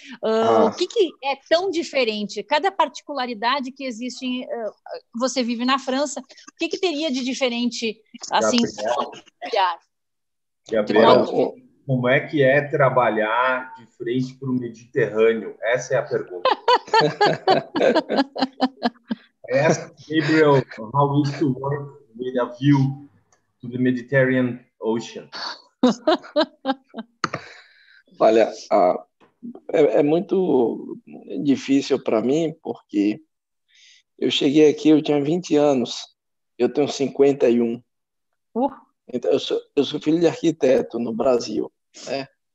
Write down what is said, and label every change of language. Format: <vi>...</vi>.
<pt>O que é tão diferente? Cada particularidade que existe, você vive na França, o que, que teria de diferente, assim, Gabriel, como é que é trabalhar de frente para o Mediterrâneo? Essa é a pergunta.</pt> <en>Gabriel, how is to work with a view to the Mediterranean Ocean?</en> <pt>Olha, é muito difícil para mim, porque eu cheguei aqui, eu tinha 20 anos, eu tenho 51. Então, eu sou filho de arquiteto no Brasil, né?</pt>